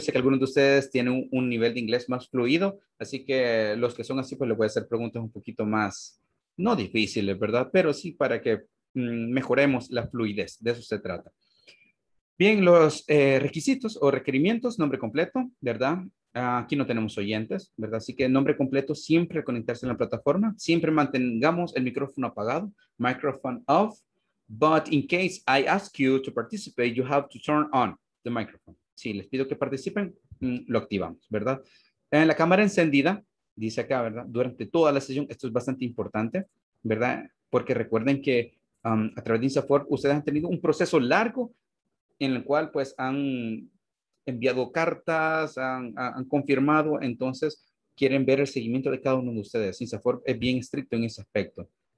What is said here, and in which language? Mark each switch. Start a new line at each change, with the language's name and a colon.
Spanish: Sé que algunos de ustedes tienen un nivel de inglés más fluido, así que los que son así, pues les voy a hacer preguntas un poquito más, no difíciles, ¿verdad? Pero sí para que mejoremos la fluidez. De eso se trata. Bien, los requisitos o requerimientos, nombre completo, ¿verdad? Aquí no tenemos oyentes, ¿verdad? Así que nombre completo siempre al conectarse en la plataforma. Siempre mantengamos el micrófono apagado.
English: Microphone off. But in case I ask you to participate, you have to turn on the microphone.
Spanish: Si les pido que participen, lo activamos, ¿verdad? En la cámara encendida, dice acá, ¿verdad? Durante toda la sesión, esto es bastante importante, ¿verdad? Porque recuerden que a través de INSAFOR ustedes han tenido un proceso largo en el cual pues han enviado cartas, han confirmado, entonces quieren ver el seguimiento de cada uno de ustedes. INSAFOR es bien estricto en ese aspecto.